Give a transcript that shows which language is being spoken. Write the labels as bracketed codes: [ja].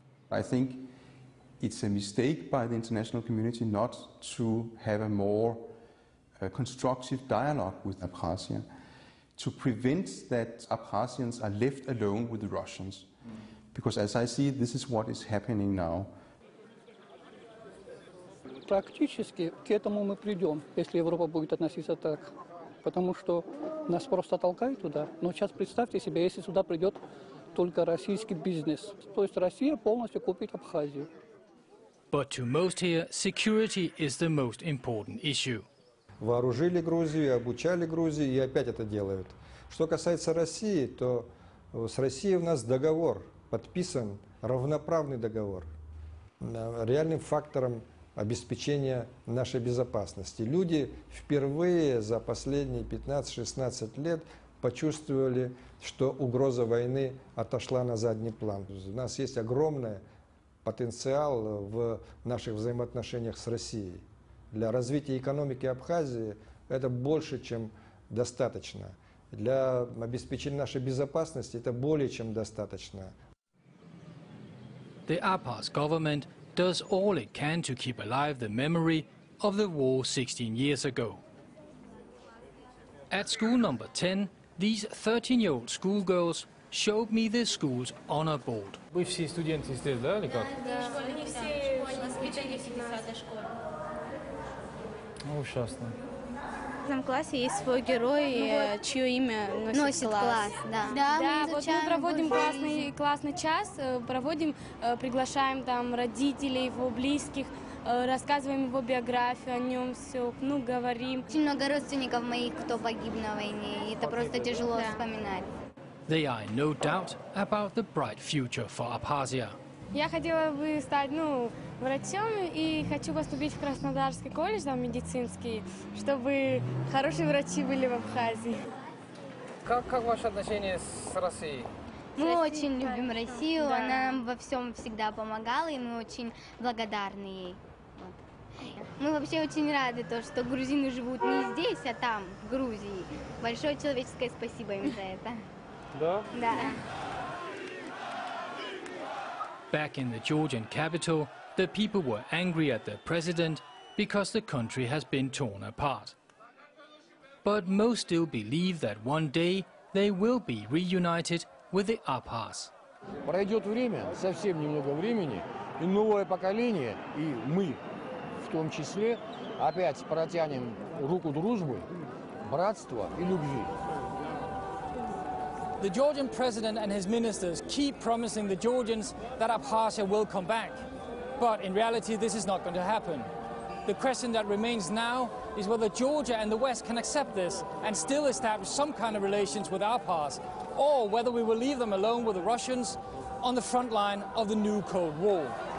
[en] I think it's a mistake by the international community not to have a more constructive dialogue with Abkhazia, to prevent that Abkhazians are left alone with the Russians. Because as I see, this is what is happening now. [ru] Практически к этому мы придем, если Европа будет относиться так. Потому что нас просто толкают туда. Но сейчас представьте себе, если сюда придет только российский бизнес. То есть Россия полностью купит Абхазию. [en] But to most here, security is the most important issue. [ru] Вооружили Грузию, обучали Грузию и опять это делают. Что касается России, то с Россией у нас договор подписан, равноправный договор. Реальным фактором обеспечения нашей безопасности. Люди впервые за последние 15-16 лет почувствовали, что угроза войны отошла на задний план. У нас есть огромная потенциал в наших взаимоотношениях с Россией. Для развития экономики Абхазии это больше, чем достаточно. Для обеспечения нашей безопасности это более чем достаточно. [en] The APAS government does all it can to keep alive the memory of the war 16 years ago. At school number 10, these 13-year-old schoolgirls showed me the school's honor board. [ru] Вы все студенты здесь, да, или как? Да, да. Они все школьники. Ну, ужасно. В этом классе есть свой герой, вот. Чье имя носит класс. Да, мы проводим классный час, проводим, приглашаем там родителей, его близких, рассказываем его биографию, о нем все, ну, говорим. Очень много родственников моих, кто погиб на войне, и это просто тяжело вспоминать. [en] They are no doubt about the bright future for Abkhazia. [ru] Я хотела бы стать, ну, врачом и хочу поступить в Краснодарский колледж, там, медицинский, чтобы хорошие врачи были в Абхазии. Как ваше отношение с Россией? Мы Россия, очень конечно. Любим Россию, да. Она нам во всем всегда помогала, и мы очень благодарны ей. Вот. Мы вообще очень рады, то, что грузины живут не здесь, а там, в Грузии. Большое человеческое спасибо им за это. Да? Да. [en] Back in the Georgian capital, the people were angry at their president because the country has been torn apart. But most still believe that one day they will be reunited with the Abkhaz. [ru] Пройдет время, совсем немного времени, и новое поколение, и мы в том числе, опять протянем руку дружбы, братства и любви. [en] The Georgian president and his ministers keep promising the Georgians that Abkhazia will come back. But in reality, this is not going to happen. The question that remains now is whether Georgia and the West can accept this and still establish some kind of relations with Abkhaz, or whether we will leave them alone with the Russians on the front line of the new Cold War.